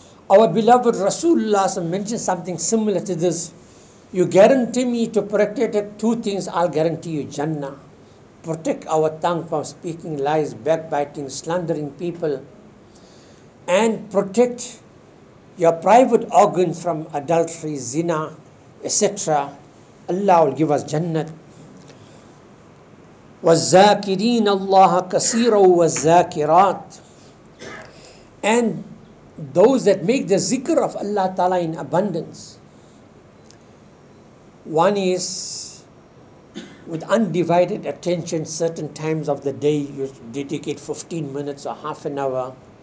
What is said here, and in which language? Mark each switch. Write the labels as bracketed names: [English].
[English] Our beloved Rasulullah mentioned something similar to this. You guarantee me to protect two things, I'll guarantee you Jannah. protect our tongue from speaking lies, backbiting, slandering people, and protect your private organs from adultery, zina, etc. Allah will give us Jannah. [Arabic] والذاكرين الله كثيرا والذاكرات. [English] And those that make the zikr of Allah Ta'ala in abundance. One is with undivided attention, certain times of the day you dedicate 15 minutes or half an hour.